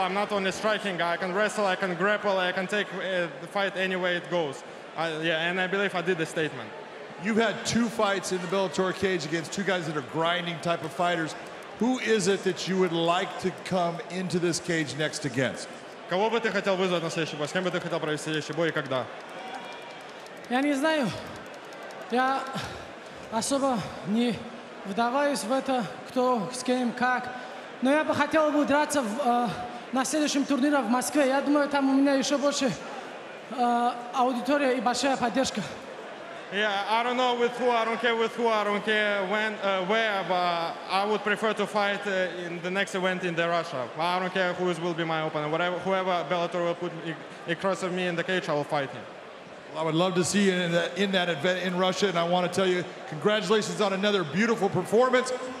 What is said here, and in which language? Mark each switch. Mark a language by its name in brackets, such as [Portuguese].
[English] I'm not only striking guy. I can wrestle, I can grapple, I can take the fight any way it goes. And I believe I did the statement. You've had two fights in the Bellator cage against two guys that are grinding type of fighters. Who is it that you would like to come into this cage next against? [Russian] Кого бы ты хотел вызвать на следующий бой? С кем бы ты хотел провести следующий бой и когда? Я не знаю. Я особо не вдаваюсь в это, кто с кем, как. Но я бы хотел бы драться на следующем турнире в Москве. Я думаю, там у меня еще больше аудитория и большая поддержка. [English] Yeah, I don't know with who, I don't care with who, I don't care when, where, but I would prefer to fight in the next event in the Russia. I don't care who will be my opponent. Whatever, whoever Bellator will put across of me in the cage, I will fight him. Well, I would love to see you in that event in Russia, and I want to tell you congratulations on another beautiful performance.